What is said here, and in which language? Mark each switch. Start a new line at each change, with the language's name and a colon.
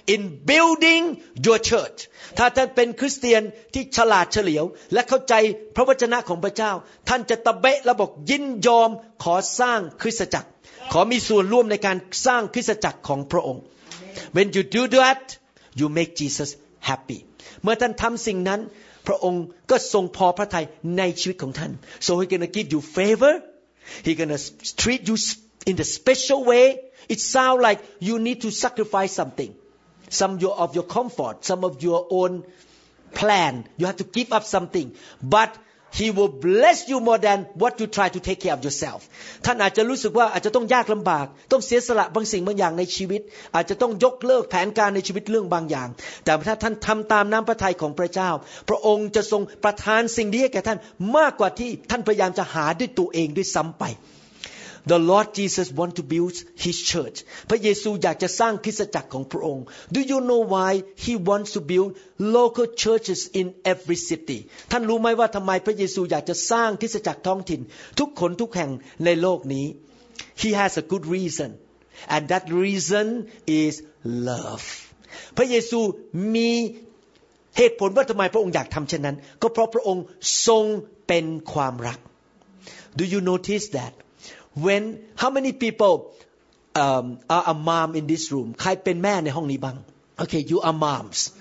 English: in building your church
Thai: ถ้าท่านเป็นคริสเตียนที่ฉลาดเฉลียวและเข้าใจพระวจนะของพระเจ้าท่านจะตะเบะและบอกยินยอมขอสร้างคริสตจักรขอมีส่วนร่วมในการสร้างคริสตจักรของพระองค์
English: When you do that you make Jesus happy
Thai: เมื่อท่านทำสิ่งนั้นพระองค์ก็ทรงพอพระทัยในชีวิตของท่าน
English: So he's gonna give you favor he's gonna treat you in a special wayIt sounds like you need to sacrifice something. Some of your comfort, some of your own plan. You have to give up something. But he will bless you more than what you try to take care of yourself.
Thai: ท่านอาจจะรู้สึกว่าอาจจะต้องยากลำบากต้องเสียสละบางสิ่งบางอย่างในชีวิตอาจจะต้องยกเลิกแผนการในชีวิตเรื่องบางอย่างแต่ถ้าท่านทำตามน้ำพระทัยของพระเจ้าพระองค์จะทรงประทานสิ่งดีให้แก่ท่านมากกว่าที่ท่านพยายามจะหาด้วยตัวเองด้วยซ้ำไป
English: The Lord Jesus wants to build His church.
Thai: พระเยซูอยากจะสร้างคริสตจักรของพระองค์
English: Do you know why He wants to build local churches in every city?
Thai: ท่านรู้ไหมว่าทำไมพระเยซูอยากจะสร้างคริสตจักรท้องถิ่นทุกคนทุกแห่งในโลกนี้
English: He has a good reason, and that reason is love.
Thai: พระเยซูมีเหตุผลว่าทำไมพระองค์อยากทำเช่นนั้นก็เพราะพระองค์ทรงเป็นความรัก
English: Do you notice that? When how many people are a mom in this room?
Thai: ใครเป็นแม่ในห้องนี้บ้าง
English: Okay, you are moms.